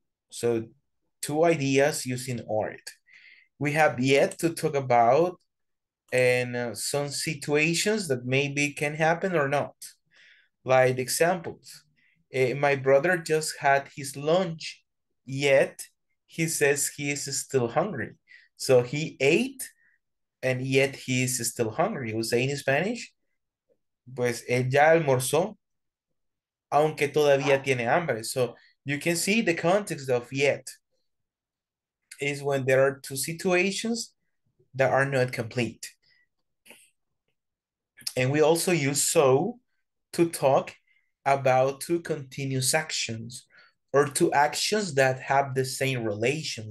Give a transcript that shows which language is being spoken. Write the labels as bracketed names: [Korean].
[English] So two ideas using or. We have yet to talk about and some situations that maybe can happen or not. Like examples, my brother just had his lunch, yet he says he is still hungry. So he ate, and yet he is still hungry. [Spanish] We say in Spanish, pues ella almorzó, aunque todavía tiene hambre. [English] So you can see the context of yet is when there are two situations that are not complete. And we also use so to talk about two continuous actions or two actions that have the same relation.